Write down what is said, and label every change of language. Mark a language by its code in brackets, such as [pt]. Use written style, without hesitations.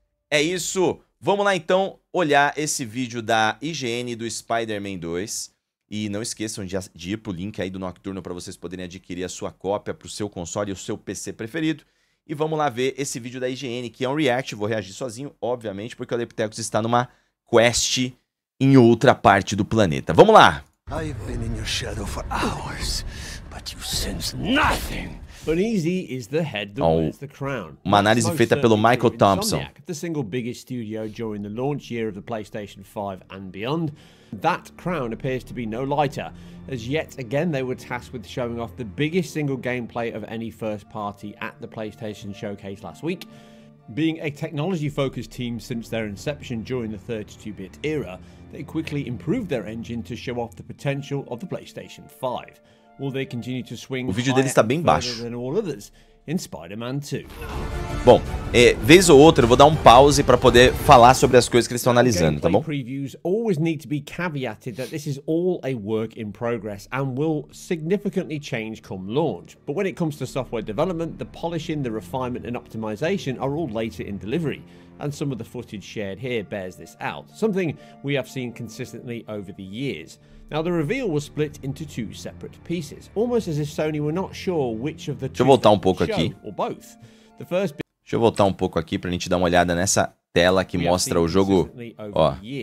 [pt] É isso, vamos lá então olhar esse vídeo da IGN do Spider-Man 2. E não esqueçam de ir pro link aí do Nocturnal para vocês poderem adquirir a sua cópia pro seu console e o seu PC preferido. E vamos lá ver esse vídeo da IGN, que é um react. Vou reagir sozinho, obviamente, porque o Alepitecus está numa quest em outra parte do planeta. Vamos lá! [en] I've been in your shadow for hours, but you sense nothing. But easy is the head that wears the crown. [pt] Uma análise feita pelo Michael Thompson. [en] The single biggest studio during the launch year of the PlayStation 5 and beyond. That crown appears to be no lighter, as yet again they were tasked with showing off the biggest single gameplay of any first party at the PlayStation showcase last week. Being a technology-focused team since their inception during the 32-bit era, they quickly improved their engine to show off the potential of the PlayStation 5. Will they continue to swing higher than all others in Spider-Man 2? [pt] Bom, vez ou outra eu vou dar um pause para poder falar sobre as coisas que eles estão analisando, tá bom? [en] Gameplay previews always need to be caveated that this is all a work in progress and will significantly change come launch. But when it comes to software development, the polishing, the refinement and optimization are all later in delivery. And some of the footage shared here bears this out, something we have seen consistently over the years. Now the reveal was split into two separate pieces, almost as if Sony were not sure which of the two would show [pt] aqui. [en] Or both. [pt] Deixa eu voltar um pouco aqui pra gente dar uma olhada nessa tela que mostra o jogo. Ó.